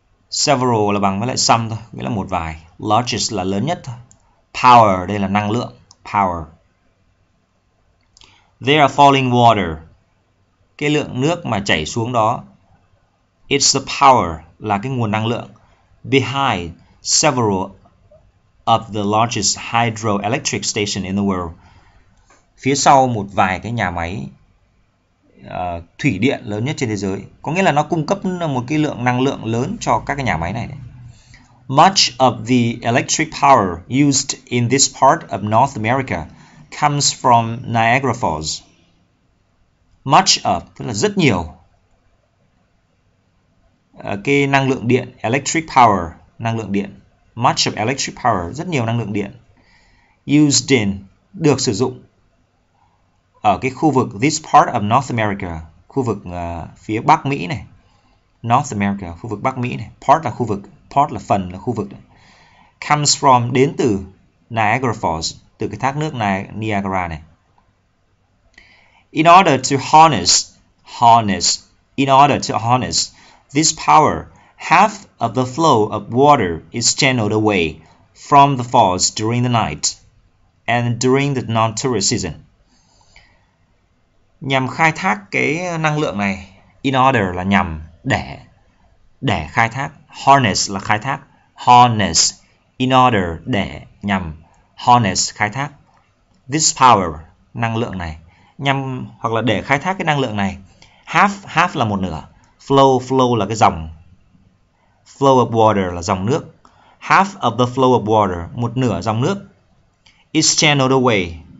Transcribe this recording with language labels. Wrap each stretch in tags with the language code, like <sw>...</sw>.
<vi>Several là bằng với lại some thôi, nghĩa là một vài. Largest là lớn nhất thôi. Power đây là năng lượng. Power.</vi> <en>There are falling water.</en> <vi>Cái lượng nước mà chảy xuống đó.</vi> <en>It's the power</en> <vi>là cái nguồn năng lượng.</vi> <en>Behind several of the largest hydroelectric station in the world.</en> <vi>Phía sau một vài cái nhà máy thủy điện lớn nhất trên thế giới, có nghĩa là nó cung cấp một cái lượng năng lượng lớn cho các cái nhà máy này đấy.</vi> <en>Much of the electric power used in this part of North America comes from Niagara Falls.</en> <vi>Much of tức là rất nhiều. Cái năng lượng điện, electric power, năng lượng điện. Much of electric power, rất nhiều năng lượng điện. Used in, được sử dụng ở cái khu vực</vi> <en>this part of North America,</en> <vi>khu vực phía Bắc Mỹ này. North America, khu vực Bắc Mỹ này. Part là khu vực, part là phần, là khu vực. Comes from, đến từ Niagara Falls, từ cái thác nước này, Niagara này.</vi> <en>In order to harness, harness, in order to harness this power, half of the flow of water is channeled away from the falls during the night and during the non-tourist season.</en> <vi>Nhằm khai thác cái năng lượng này, in order là nhằm, để khai thác, harness là khai thác, harness, in order để nhằm, harness khai thác, this power năng lượng này, nhằm hoặc là để khai thác cái năng lượng này, half half là một nửa, flow flow là cái dòng, flow of water là dòng nước,</vi> <en>half of the flow of water</en> <vi>một nửa dòng nước,</vi> <en>is channeled away.</en>